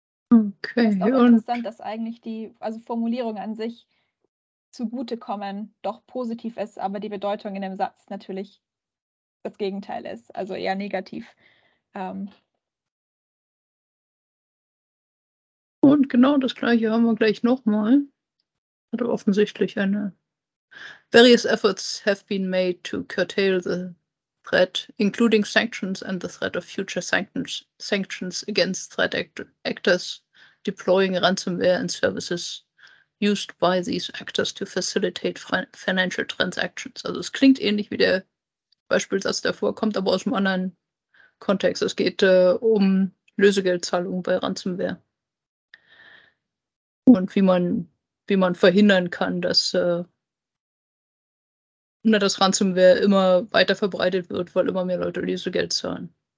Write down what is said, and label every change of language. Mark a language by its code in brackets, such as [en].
[de] Okay. Es ist auch interessant, dass eigentlich die Formulierungen an sich zugutekommen doch positiv ist, aber die Bedeutung in dem Satz natürlich das Gegenteil ist, also eher negativ. Und genau das Gleiche haben wir gleich nochmal. Also offensichtlich eine. [en] Various efforts have been made to curtail the threat, including sanctions and the threat of future sanctions against threat actors deploying ransomware and services used by these actors to facilitate financial transactions. [de] Also es klingt ähnlich wie der Beispielsatz davor, kommt aber aus einem anderen Kontext. Es geht um Lösegeldzahlungen bei Ransomware. Und wie man verhindern kann, dass Ransomware immer weiter verbreitet wird, weil immer mehr Leute Lösegeld zahlen.